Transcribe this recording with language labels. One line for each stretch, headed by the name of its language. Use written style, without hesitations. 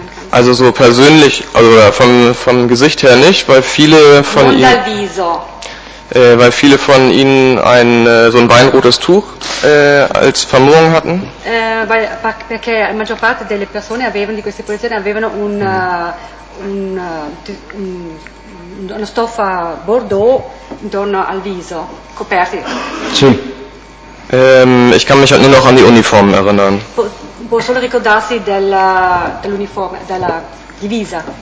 German: Also so persönlich, also vom Gesicht her nicht, weil viele von ihnen so ein weinrotes Tuch als Vermummung hatten.
Italian: Perché la maggior parte delle persone avevano di queste polizie avevano una stoffa bordeaux intorno al viso coperti. Sì.
German: Ich kann mich halt nur noch an die Uniformen erinnern.
Italian: Posso ricordarsi dell'uniforme, della divisa?